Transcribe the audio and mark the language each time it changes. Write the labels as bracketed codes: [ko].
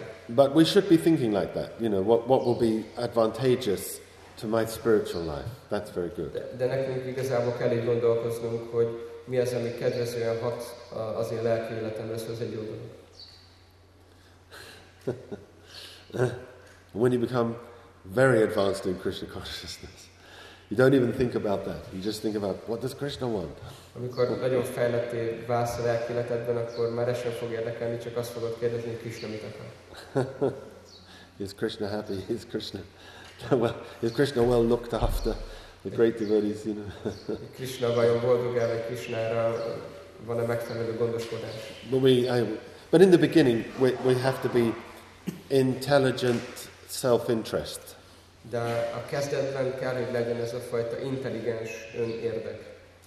[en] But we should be thinking like that, you know, what will be advantageous to my spiritual life. That's very good. [hu] De nekünk igazából kell így gondolkoznunk, hogy mi az, ami kedvezően hat az én lelki életemre, ez egy jó dolog. [en] When you become very advanced in Krishna consciousness, you don't even think about that. You just think about, what does Krishna want? [hu] Amikor nagyon fejletté válsz a lelki életedben, akkor már sem fog érdekelni, csak azt fogod kérdezni, hogy Krishna mit akar. [en] Is Krishna happy? Is Krishna... Well, is Krishna well looked after? The great devotees, you know. [hu] Krishna vajon boldog-e, vagy Krishnára van-e megfelelő gondoskodás? [en] But in the beginning, we have to be intelligent self-interest. [hu] De a kezdetben kell, hogy legyen ez a fajta intelligens önérdek.